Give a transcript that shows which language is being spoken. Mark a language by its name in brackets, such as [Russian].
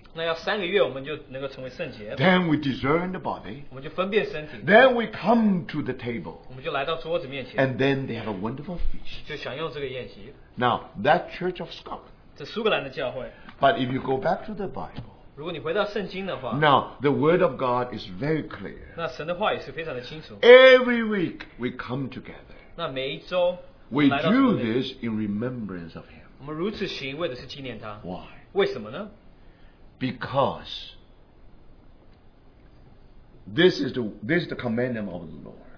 [English] Then we discern the body. Then we come to the table. And then they have a wonderful feast. Now, that Church of Scotland. But if you go back to the Bible, Now, the word of God is very clear. [Chinese] 那神的话也是非常的清楚。 [English] Every week we come together. We do this in remembrance of Him. [Chinese] 我们如此行为的是纪念他。 [English] Why? [Chinese] 为什么呢? [English] Because this is the commandment of the Lord.